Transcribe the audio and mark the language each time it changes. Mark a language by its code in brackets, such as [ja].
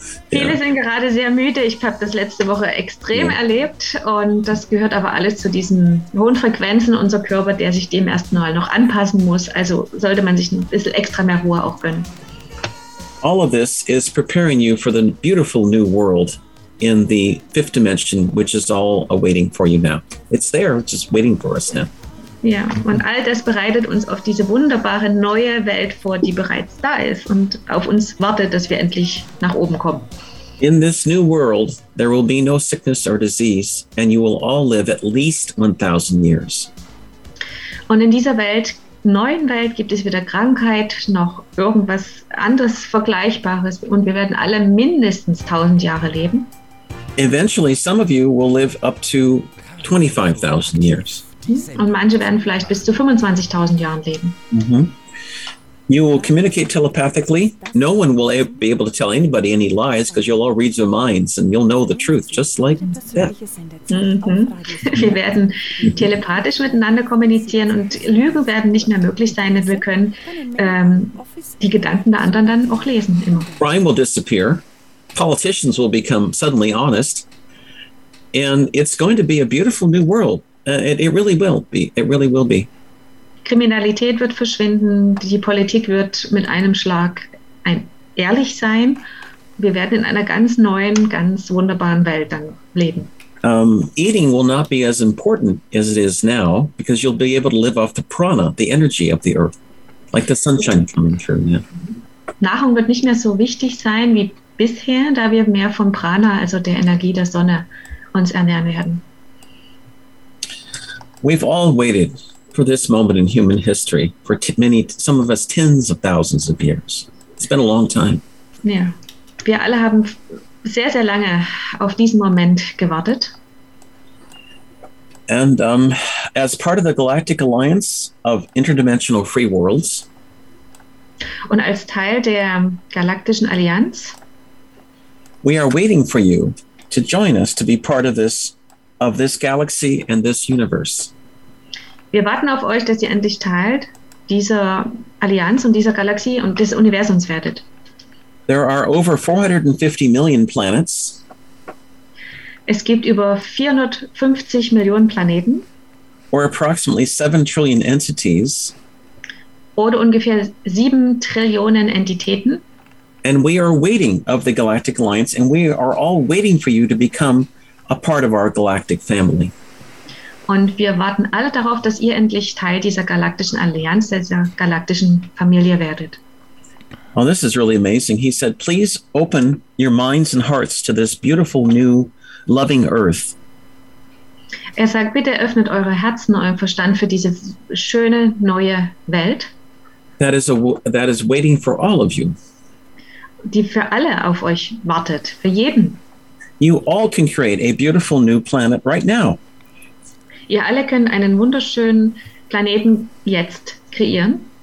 [de] Viele sind gerade sehr müde. Ich habe das letzte Woche extrem erlebt. Und das gehört aber alles zu diesen hohen Frequenzen. Unser Körper, der sich dem erstmal noch anpassen muss. Also sollte man sich ein bisschen extra mehr Ruhe auch gönnen. [en] All of this is preparing you for the beautiful new world in the fifth dimension, which is all awaiting for you now. It's there, it's just waiting for us now. [de] Ja, und all das bereitet uns auf diese wunderbare neue Welt vor, die bereits da ist und auf uns wartet, dass wir endlich nach oben kommen. [en] In this new world, there will be no sickness or disease, and you will all live at least 1,000 years. [de] Und in dieser Welt, neuen Welt, gibt es weder Krankheit noch irgendwas anderes Vergleichbares und wir werden alle mindestens 1,000 Jahre leben. [en] Eventually, some of you will live up to 25,000 years. [de] Und manche werden vielleicht bis zu 25.000 Jahren leben. Mm-hmm. [en] You will communicate telepathically. No one will be able to tell anybody any lies, because you'll all read their minds and you'll know the truth, just like that. Mm-hmm. [de] Wir werden telepathisch miteinander kommunizieren und Lügen werden nicht mehr möglich sein. Und wir können die Gedanken der anderen dann auch lesen. Immer. [en] Crime will disappear. Politicians will become suddenly honest. And it's going to be a beautiful new world. It really will be. It really will be. [de] Kriminalität wird verschwinden. Die Politik wird mit einem Schlag ehrlich sein. Wir werden in einer ganz neuen, ganz wunderbaren Welt dann leben. [en] Eating will not be as important as it is now, because you'll be able to live off the prana, the energy of the earth, like the sunshine coming through. Yeah. [de] Nahrung wird nicht mehr so wichtig sein wie bisher, da wir mehr von Prana, also der Energie der Sonne, uns ernähren werden. [en] We've all waited for this moment in human history for some of us tens of thousands of years. It's been a long time. [de] Ja, wir alle haben sehr, sehr lange auf diesen Moment gewartet. [en] And as part of the Galactic Alliance of Interdimensional Free Worlds. [de] Und als Teil der Galaktischen Allianz. [en] We are waiting for you to join us to be part of this galaxy and this universe. [de] Wir warten auf euch, dass ihr endlich teilt dieser Allianz und dieser Galaxie und des Universums werdet. [en] There are over 450 million planets. [de] Es gibt über 450 Millionen Planeten. [en] Or approximately 7 trillion entities. [de] Oder ungefähr 7 Trillionen Entitäten. [en] And we are waiting of the Galactic Alliance, and we are all waiting for you to become a part of our galactic family. [de] Und wir warten alle darauf, dass ihr endlich Teil dieser galaktischen Allianz, dieser galaktischen Familie werdet. [en] Oh, this is really amazing. He said, please open your minds and hearts to this beautiful, new, loving earth. [de] Er sagt, bitte öffnet eure Herzen, euren Verstand für diese schöne, neue Welt. [en] That is waiting for all of you. [de] Die für alle auf euch wartet, für jeden. [en] You all can create a beautiful new planet right now. [de] Ihr alle könnt einen wunderschönen Planeten jetzt kreieren.